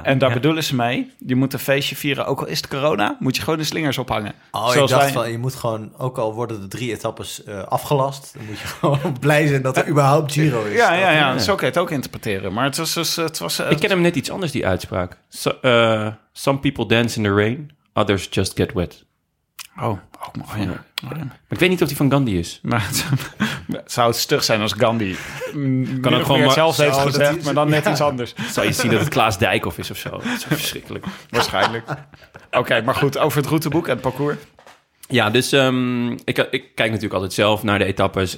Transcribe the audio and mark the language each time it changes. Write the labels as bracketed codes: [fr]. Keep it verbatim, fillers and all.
[nl] En daar ja. bedoelen ze mee, je moet een feestje vieren, ook al is het corona, moet je gewoon de slingers ophangen. Oh, Zoals ik dacht wij... van, je moet gewoon, ook al worden de drie etappes uh, afgelast, dan moet je gewoon blij zijn dat er überhaupt Giro is. Ja, ja, ja, ja. Zo kan je het ook interpreteren, maar het was... Dus, het was uh, ik ken hem net iets anders, die uitspraak. [en] So, uh, some people dance in the rain, others just get wet. [nl] Oh, ook oh, mooi. Ja. Maar ik weet niet of die van Gandhi is. Maar het zou het stug zijn als Gandhi. Kan ook gewoon maar, zelfs heeft gezegd, is, maar dan net ja. iets anders. Zou je zien dat het Klaas Dijkhoff is of zo? Dat is verschrikkelijk. Waarschijnlijk. Oké, okay, maar goed, over het routeboek en het parcours. Ja, dus um, ik, ik kijk natuurlijk altijd zelf naar de etappes.